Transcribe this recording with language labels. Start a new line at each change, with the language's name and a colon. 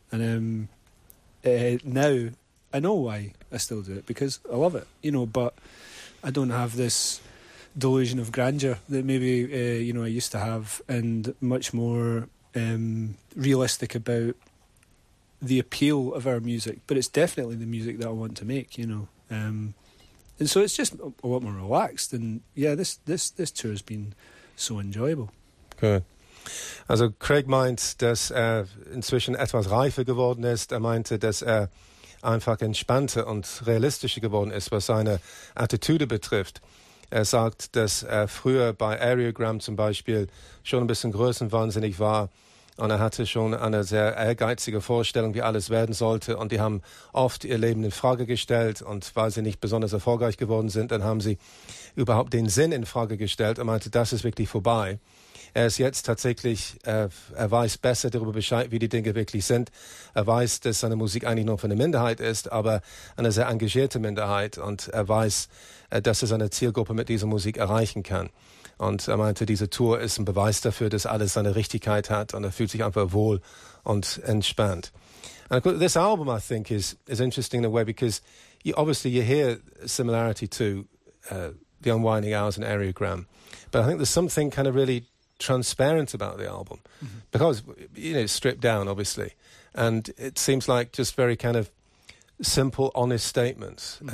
English: And now I know why I still do it, because I love it, you know, but I don't have this delusion of grandeur that maybe, you know, I used to have, and much more realistic about the appeal of our music. But it's definitely the music that I want to make, you know. And so it's just a lot more relaxed. And yeah, this tour has been so enjoyable. Good.
German: Also Craig meint, dass inzwischen etwas reifer geworden ist. Meinte, dass einfach entspannter und realistischer geworden ist, was seine Attitüde betrifft. Er sagt, dass er früher bei Areogram zum Beispiel schon ein bisschen größenwahnsinnig war, und er hatte schon eine sehr ehrgeizige Vorstellung, wie alles werden sollte, und die haben oft ihr Leben in Frage gestellt, und weil sie nicht besonders erfolgreich geworden sind, dann haben sie überhaupt den Sinn in Frage gestellt. Er meinte, das ist wirklich vorbei. Er ist jetzt tatsächlich, er weiß besser darüber Bescheid, wie die Dinge wirklich sind. Er weiß, dass seine Musik eigentlich nur für eine Minderheit ist, aber eine sehr engagierte Minderheit. Und er weiß, dass er seine Zielgruppe mit dieser Musik erreichen kann. Und er meinte, diese Tour ist ein Beweis dafür, dass alles seine Richtigkeit hat. Und er fühlt sich einfach wohl und entspannt.
English: And of course, this album, I think, is interesting in a way, because you hear a similarity to The Unwinding Hours and Areogram. But I think there's something kind of really transparent about the album, mm-hmm. because it's stripped down, obviously, and it seems like just very kind of simple, honest statements, mm-hmm.